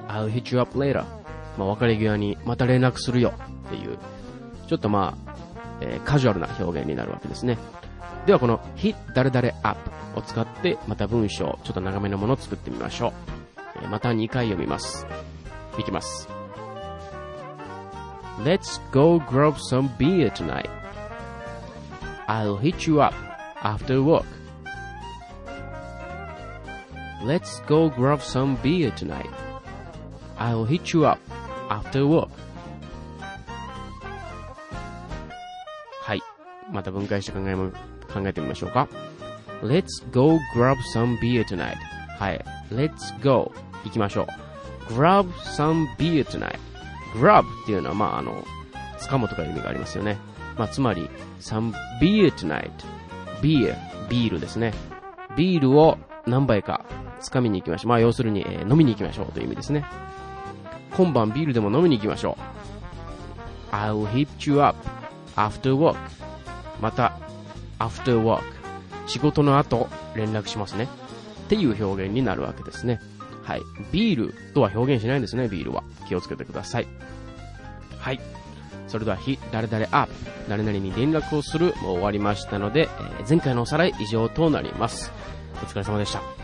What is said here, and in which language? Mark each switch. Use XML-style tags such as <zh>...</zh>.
<en>I'll hit you up later、</en> <ja>まあ、別れ際にまた連絡するよっていう、ちょっとまあ、カジュアルな表現になるわけですね。ではこの hit 誰々 up を使ってまた文章ちょっと長めのものを作ってみましょう。また2回読みます。いきます。</ja> <en>Let's go grab some beer tonight. I'll hit you up after work. Let's go grab some beer tonight. I'll hit you upAfter work。</en> <ja>はい、また分解して考えてみましょうか。</ja> <en>Let's go grab some beer tonight。</en> <ja>はい、 Let's go、 行きましょう。</ja> <en>Grab some beer tonight。</en> <ja>Grab っていうのは、まあ、あの掴むとかいう意味がありますよね、まあ、つまり</ja> <en>Some beer tonight。</en> <ja>Beer、 ビールですね。ビールを何杯か掴みに行きましょう、まあ、要するに、飲みに行きましょうという意味ですね。今晩ビールでも飲みに行きましょう。</ja> <en>I'll hit you up after work。</en> <ja>また after work、 仕事の後連絡しますねっていう表現になるわけですね。はい、ビールとは表現しないんですね。ビールは気をつけてください。はい、それでは hit 誰々 up、 誰々に連絡をする、もう終わりましたので、前回のおさらい以上となります。お疲れ様でした。</ja>